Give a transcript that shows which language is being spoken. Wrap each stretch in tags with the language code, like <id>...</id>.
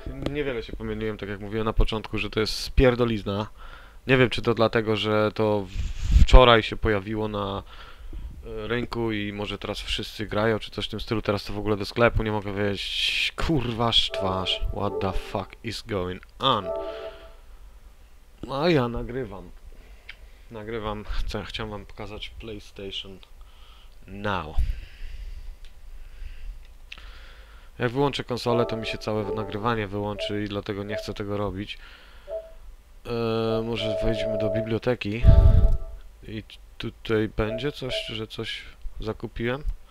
<pl>Niewiele się pomyliłem, tak jak mówiłem na początku, że to jest spierdolizna. Nie wiem, czy to dlatego, że to wczoraj się pojawiło na rynku i może teraz wszyscy grają, czy coś w tym stylu. Teraz to w ogóle do sklepu nie mogę wejść. Kurwa twarz,</pl> <en>what the fuck is going on?</en> <pl>A ja nagrywam. Nagrywam. Chciałem wam pokazać PlayStation Now. Jak wyłączę konsolę, to mi się całe nagrywanie wyłączy i dlatego nie chcę tego robić. Może wejdźmy do biblioteki. I tutaj będzie coś, że coś zakupiłem.</pl>